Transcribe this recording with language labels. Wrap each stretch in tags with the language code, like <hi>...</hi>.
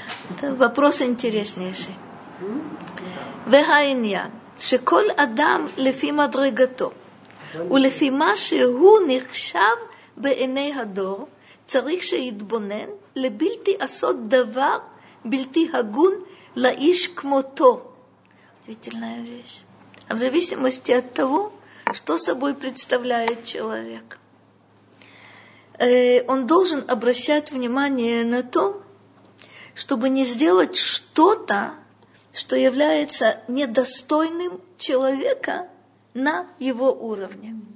<ru>Это вопрос интереснейший.</ru> <he>Вегайньян, шеколь адам лефи мадрегато. ולפי מה שהוא נחשב בעיני הדור, צריך שיתבונן לבלתי עשות דבר בלתי הגון לאיש כמותו.</he> <ru>Удивительная вещь. А в зависимости от того, что собой представляет человек. Он должен обращать внимание на то, чтобы не сделать что-то, что является недостойным человека на его уровне.</ru>